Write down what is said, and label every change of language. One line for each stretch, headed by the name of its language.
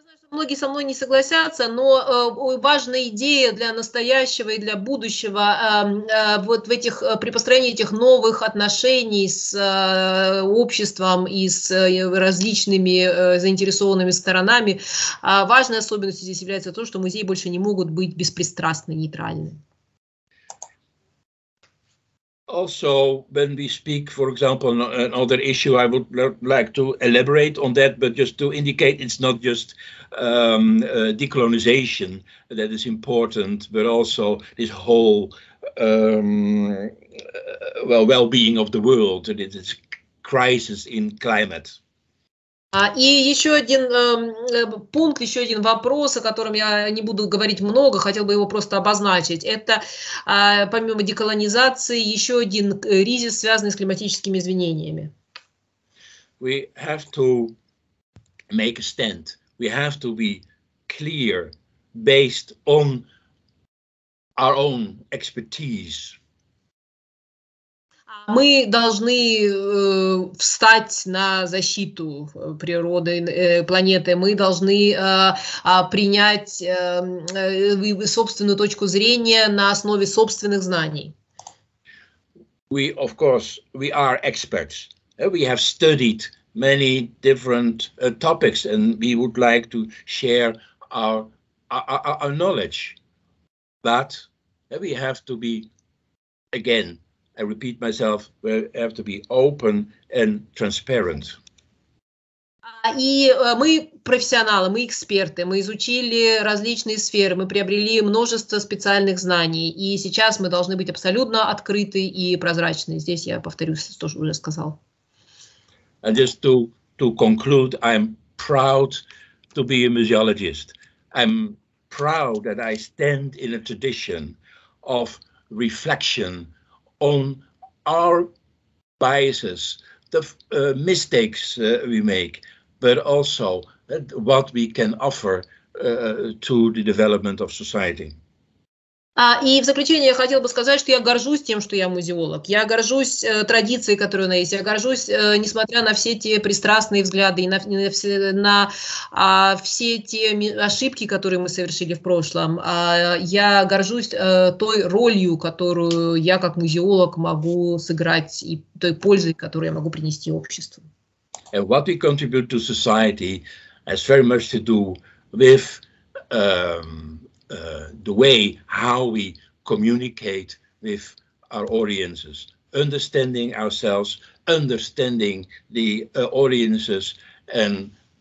Russian: Многие со мной не согласятся, но важная идея для настоящего и для будущего вот в этих, при построении этих новых отношений с обществом и с различными заинтересованными сторонами, важной особенностью здесь является то, что музеи больше не могут быть беспристрастны, нейтральны.
English: Also, when we speak, for example, on another issue, I would like to elaborate on that, but just to indicate it's not just decolonization that is important, but also this whole well-being of the world, and this crisis in climate.
Russian: И еще один пункт, еще один вопрос, о котором я не буду говорить много, хотел бы его просто обозначить. Это помимо деколонизации еще один кризис, связанный с климатическими изменениями.
English: We have to make a stand. We have to be clear based on our own expertise.
Russian: Мы должны встать на защиту природы, планеты. Мы должны принять собственную точку зрения на основе собственных знаний.
English: We, of course, we are experts. We have studied many different topics, and we would like to share our knowledge. But we have to be, again, I repeat myself, we have to be open and transparent.
Russian: И мы профессионалы, мы эксперты, мы изучили различные сферы, мы приобрели множество специальных знаний, и сейчас мы должны быть абсолютно открыты и прозрачны. Здесь я повторюсь, то, что уже сказал.
English: And just to conclude, I'm proud to be a museologist. I'm proud that I stand in a tradition of reflection on our biases, the mistakes we make, but also what we can offer to the development of society.
Russian: И в заключение я хотела бы сказать, что я горжусь тем, что я музеолог. Я горжусь традицией, которая у нас есть. Я горжусь, несмотря на все те пристрастные взгляды и все те ошибки, которые мы совершили в прошлом. Я горжусь той ролью, которую я как музеолог могу сыграть, и той пользой, которую я могу принести обществу.
English: And what we contribute to society has very much to do with the way how we communicate with our audiences, understanding ourselves, understanding the audiences, and